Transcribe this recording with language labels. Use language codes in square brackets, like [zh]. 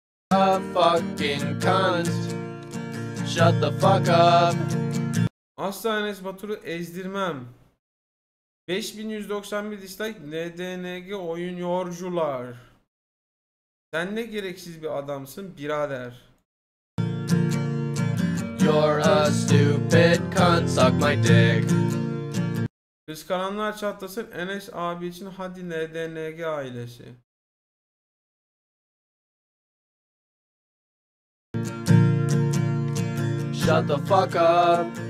[en] A fucking cunt. Shut the fuck up. [tr] Asla Enes Batur'u ezdirmem. 5191 dislike. NDNG oyun yorcular. Sen ne gereksiz bir adamsın birader. [en] You're a stupid cunt, suck my dick. [tr] Kıskananlar çatlasın Enes abi için, hadi NDNG ailesi. [en] Shut the fuck up.